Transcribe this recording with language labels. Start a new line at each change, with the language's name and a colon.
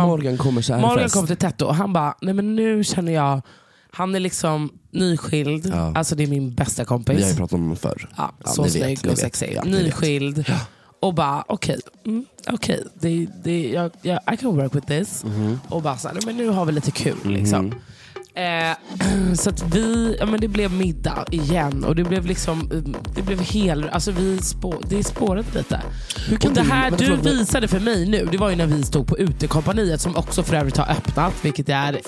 Swedish: när Morgan kommer så här, Morgan kom till Tetto och han bara, nej men nu känner jag, han är liksom nyskild. Ja. Alltså det är min bästa kompis. Vi har ju pratat om honom förr. Ja, så snygg och sexig. Ja, nyskild. Ja. Och bara, okej. Okej, jag
English: I can work with this. Mm-hmm.
Swedish: Och bara så här, nej men nu har vi lite kul liksom. Mm-hmm. Så att vi, ja men det blev middag igen och det blev liksom, det blev hel, alltså vi det är spåret lite. Hur kan och det här du visade för mig nu, det var ju när vi stod på Utekompaniet som också för övrigt har öppnat, vilket är